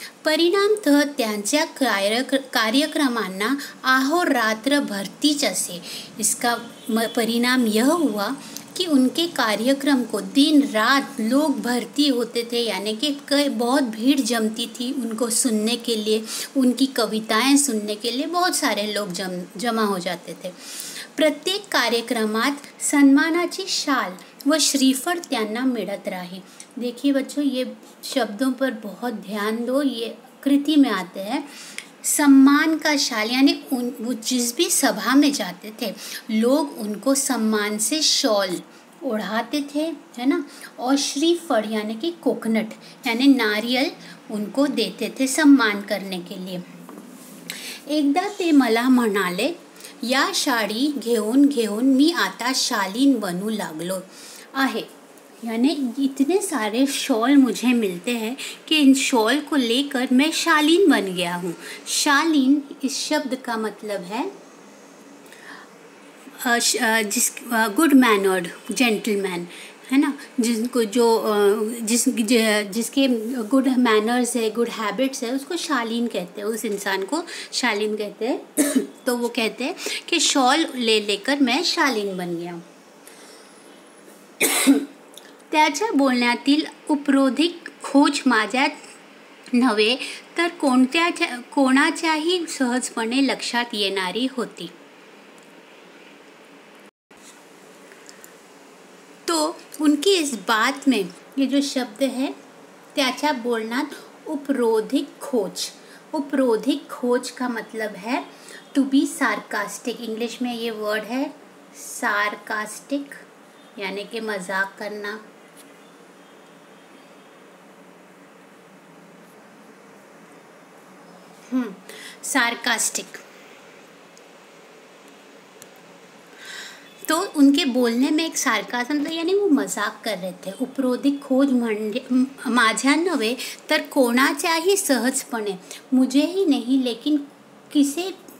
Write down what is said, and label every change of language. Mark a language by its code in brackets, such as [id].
[mr] परिणाम तो त्यांच्या कार्यक्रमांना आहोरात्र भरतीच असे, [hi] इसका परिणाम यह हुआ कि उनके कार्यक्रम को दिन रात लोग भर्ती होते थे, यानी कि बहुत भीड़ जमती थी उनको सुनने के लिए, उनकी कविताएं सुनने के लिए बहुत सारे लोग जमा हो जाते थे। [mr] प्रत्येक कार्यक्रमात सन्मानाची शाल व श्रीफळ त्यांना मिळत राही। [hi] देखिए बच्चों ये शब्दों पर बहुत ध्यान दो, ये कृति में आते हैं। सम्मान का शाल यानी उन वो जिस भी सभा में जाते थे लोग उनको सम्मान से शॉल ओढ़ाते थे, है ना। और श्रीफळ यानी कि कोकोनट यानी नारियल उनको देते थे सम्मान करने के लिए। [mr] एकदा ते मला म्हणाले या शाळी घेऊन घेऊन मी आता शालीन बनू लागलो आहे, [hi] यानी इतने सारे शॉल मुझे मिलते हैं कि इन शॉल को लेकर मैं शालीन बन गया हूँ। शालीन इस शब्द का मतलब है जिस गुड मैन और जेंटलमैन, है ना, जिनको जो जिसके गुड मैनर्स है गुड हैबिट्स है उसको शालीन कहते हैं, उस इंसान को शालीन कहते हैं। तो वो कहते हैं कि शॉल ले लेकर मैं शालीन बन गया हूँ। [mr] त्याच्या बोलण्यातील उपरोधिक खोज माझ्या नव्हे तर कोणाच्याही सहजपणे लक्षात येणारी होती। [hi] तो उनकी इस बात में ये जो शब्द है [mr] त्याच्या बोलण्यात उपरोधिक खोज, [hi] उपरोधिक खोज का मतलब है टू बी सार्कास्टिक, इंग्लिश में ये वर्ड है सार्कास्टिक यानी कि मजाक करना। सार्कास्टिक, तो उनके बोलने में एक सार्कास्म था यानी वो मजाक कर रहे थे। [mr] उपरोधिक खोज माझ्या नवे तर कोणाच्याही सहजपणे, [hi] मुझे ही नहीं लेकिन किसे